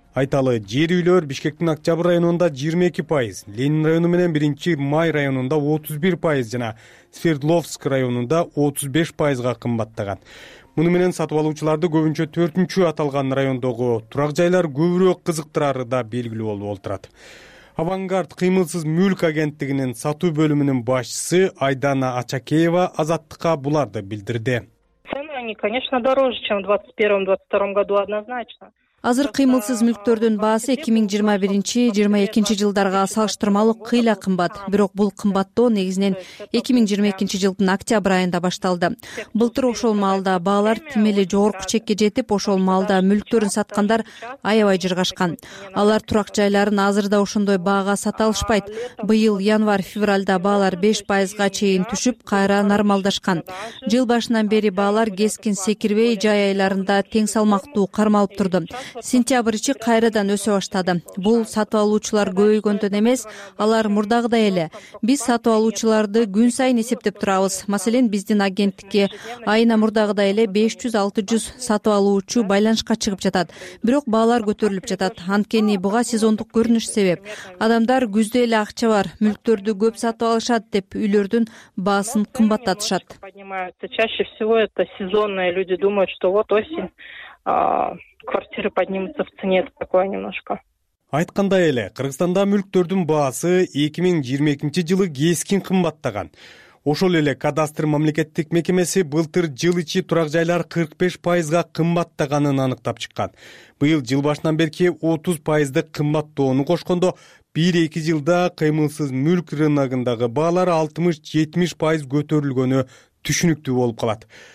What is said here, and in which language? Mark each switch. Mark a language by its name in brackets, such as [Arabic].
[Kyrgyz] Айталы, жер үйлөр Бишкектин Октябрь районунда 22%, Ленин району менен 1-май районунда 31% жана Свердловск районунда 35% кымбаттаган. Муну менен сатып алуучуларды көбүнчө 4-чү аталган райондогу турак жайлар көбүрөөк кызыктырары да белгилүү болуп отурат. Авангард кыймылсыз мүлк агенттигинин сатуу бөлүмүнүн башчысы Айдана Ачакеева Азаттыкка буларды билдирди. [Russian] Цены, они, конечно, дороже, чем в 2021-2022 году однозначно. [Kyrgyz] Азыр кыймылсыз мүлктөрдүн баасы 2021-2022 жылдарга салыштырмалуу кыйла кымбат. Бирок бул кымбаттоо негизинен 2022 жылдын октябрь айында башталды. Былтыр ошол маалда баалар тим эле жогорку чекке жетип, ошол маалда мүлктөрүн саткандар аябай жыргашкан. Алар турак жайларын азырда ошондой баага сата алышпайт. Быйыл январь-февралда баалар 5% чейин түшүп, кайра нормалдашкан. Жыл башынан бери баалар кескин секирбей, жай айларында тең салмактуу кармалып турду. Сентябрь ичи кайрадан өсө баштады. Бул сатып алуучулар көбөйгөндөн эмес, алар мурдагыдай эле. Биз сатып алуучуларды күн сайын эсептеп турабыз. Маселен, биздин агенттикке айына мурдагыдай эле 500-600 сатып алуучу байланышка чыгып жатат. Бирок баалар көтөрүлүп жатат. Анткени буга сезондук көрүнүш себеп. Адамдар күздө эле акча бар, мүлктөрдү көп сатып алышат деп үйлөрдүн баасын кымбаттатышат. [Russian] Чаще всего это сезонные люди думают, что вот осень квартиры поднимутся в цене, это такое немножко. [Kyrgyz] Айткандай эле, Кыргызстанда мүлктөрдүн баасы 2022 жылы кескин кымбаттаган. Ошол эле кадастр мамлекеттик мекемеси былтыр жыл ичи турак жайлар 45% кымбаттаганын аныктап чыккан. Быйыл жыл башынан берки 30% кымбаттоону кошкондо 1-2 жылда кыймылсыз мүлк рыногундагы баалар 60-70% көтөрүлгөнү түшүнүктүү болуп калат.